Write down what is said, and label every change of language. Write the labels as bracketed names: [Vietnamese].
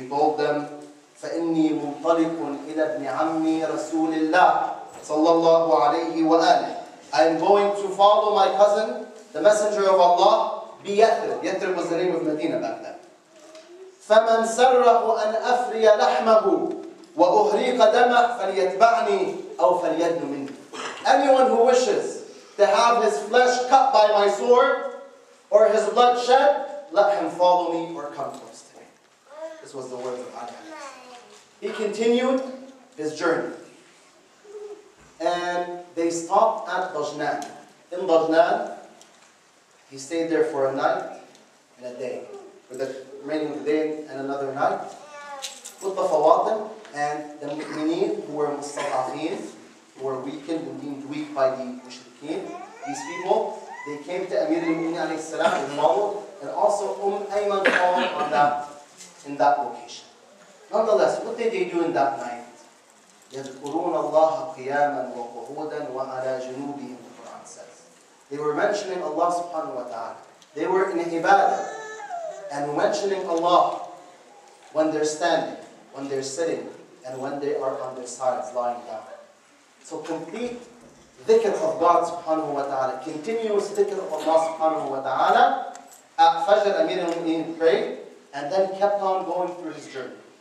[English] He told them, [Arabic] فَإِنِّي مُنْطَلِقٌ إِلَى ابْنِ عَمِّي رَسُولِ اللَّهِ صَلَّى اللَّهُ عَلَيْهِ وَآلِهِ. [English] I'm going to follow my cousin, the messenger of Allah, بِيَثْرِبْ. Yathrib was the name of Medina back then. [Arabic] فَمَنْ سَرَّهُ أَنْ أَفْرِيَ لَحْمَهُ وَأُهْرِيقَ دَمَهُ فَلْيَتْبَعْنِي أَوْ فَلْيَدْنُ مِنِّي. [English] Anyone who wishes to have his flesh cut by my sword or his blood shed, let him follow me or come close to me. This was the word of Allah. He continued his journey. And they stopped at Dajnan. In Dajnan, he stayed there for a night and a day, for the remaining day and another night. With the Fawatim and the Mu'mineen who were mustataheen, who were weakened and deemed weak by the Mushrikeen, these people, they came to Amir al-Mu'minin alayhi salam and followed, and also Ayman called on that in that location. Nonetheless, what did they do in that night? [Arabic] يذكرون الله قياما وقعودا وعلى جنوبهم, [English] the Quran says. They were mentioning Allah subhanahu wa ta'ala. They were in ibadah and mentioning Allah when they're standing, when they're sitting, and when they are on their sides lying down. So complete dhikr of God subhanahu wa ta'ala, continuous dhikr of Allah subhanahu wa ta'ala, at Fajr Amir al-Mu'minin prayed and then kept on going through his journey.